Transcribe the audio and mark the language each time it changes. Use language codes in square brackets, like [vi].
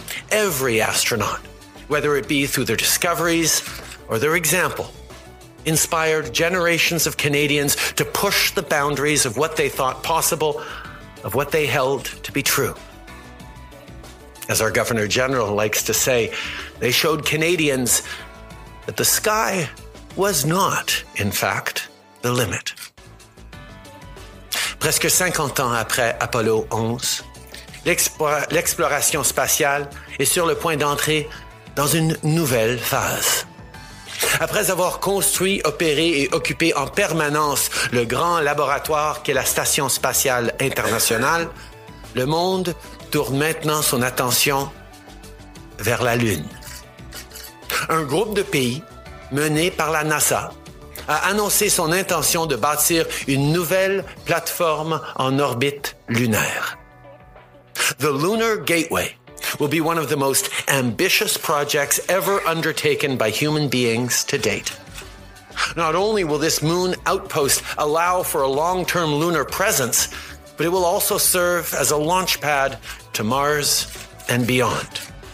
[en] Every astronaut, whether it be through their discoveries or their example, inspired generations of Canadians to push the boundaries of what they thought possible, of what they held to be true. As our Governor General likes to say, they showed Canadians that the sky was not, in fact, the limit. [fr] Presque 50 ans après Apollo 11, l'exploration spatiale est sur le point d'entrer dans une nouvelle phase. Après avoir construit, opéré et occupé en permanence le grand laboratoire qu'est la Station spatiale internationale, le monde tourne maintenant son attention vers la Lune. Un groupe de pays, mené par la NASA, a annoncé son intention de bâtir une nouvelle plateforme en orbite lunaire. [en] The Lunar Gateway will be one of the most ambitious projects ever undertaken by human beings to date. Not only will this moon outpost allow for a long-term lunar presence, but it will also serve as a launch pad to Mars and beyond.